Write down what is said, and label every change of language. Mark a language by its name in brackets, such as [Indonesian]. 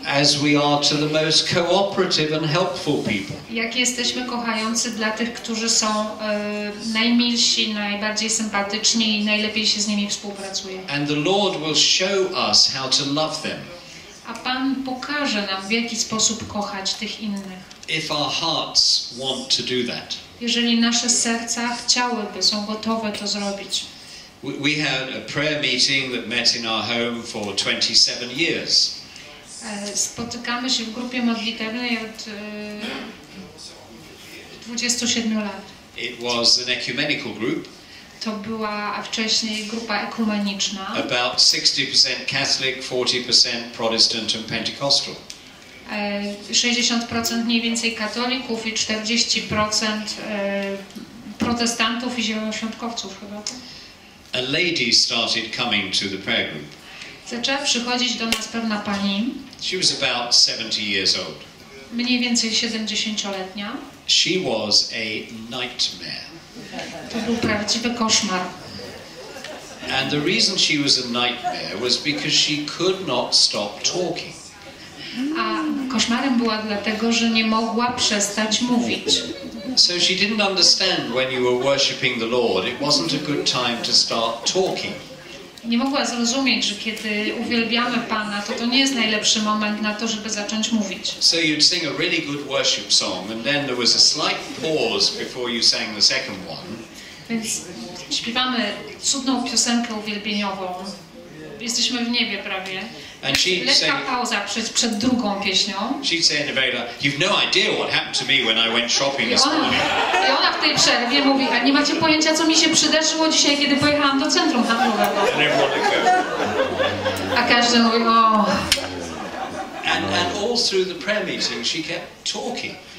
[English] As we are to the most cooperative and helpful people. [Polish] Jak jesteśmy kochający dla tych, którzy są najmilsi, najbardziej sympatyczni i najlepiej się z nimi współpracuje. [English] And the Lord will show us how to love them. [Polish] A Pan pokaże nam, w jaki sposób kochać tych innych. [English] If our hearts want to do that. [Polish] Jeżeli nasze serca chciałyby, są gotowe to zrobić. [English] We had a prayer meeting that met in our home for 27 years. [Polish] Spotykamy się w grupie modlitewnej od 27 lat. [English] It was an ecumenical group. [Polish] To była wcześniej grupa ekumeniczna. [English] About 60% Catholic, 40% Protestant and Pentecostal. [Polish] 60% mniej więcej katolików i 40% protestantów i zielonoświątkowców chyba. [English] A lady started coming to the prayer group. [Polish] Zaczęła przychodzić do nas pewna pani. [English] She was about 70 years old. [Polish] Mniej więcej 70-letnia. [English] She was a nightmare. [Polish] To był prawdziwy koszmar. [English] And the reason she was a nightmare was because she could not stop talking. [Polish] A koszmarem była dlatego, że nie mogła przestać mówić. [English] So she didn't understand when you were worshiping the Lord, it wasn't a good time to start talking. [Polish] Nie mogła zrozumieć, że kiedy uwielbiamy Pana, to nie jest najlepszy moment na to, żeby zacząć mówić. [English] So you'd sing a really good worship song and then there was a slight pause before you sang the second one. [Polish] Więc śpiewamy cudną piosenkę uwielbieniową. Jesteśmy w niebie prawie. [English] And she [Polish] przed drugą pieśnią. [English] She said, "Nevada, you've no idea what happened to me when I went shopping this morning." [Polish] I ona w tej przerwie mówi, a nie macie pojęcia, co mi się przydarzyło dzisiaj, kiedy pojechałam do centrum handlowego. [English] And everyone like, [Polish] a każdy mówi, o. [English] And all through the prayer meeting, she kept talking.